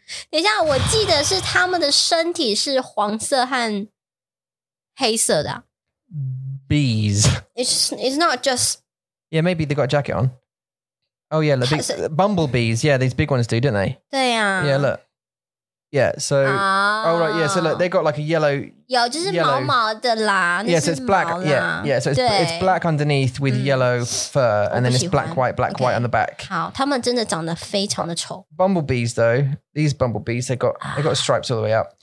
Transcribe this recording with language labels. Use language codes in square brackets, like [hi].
[zh] 等一下, 我记得是他们的身体是黄色和黑色的 [en] Bees it's not just Yeah, maybe they got a jacket on Oh yeah, look, bumblebees Yeah, these big ones do, don't they? [zh] 对啊 [en] Yeah, look Yeah, so Oh right, yeah, so look They got like a yellow [zh] 有,就是毛毛的啦 [en] Yeah, so it's black Yeah, so it's black underneath With yellow fur And then it's black, okay. white on the back [zh] 好,他们真的长得非常的丑 [en] Bumblebees though These bumblebees They got stripes all the way up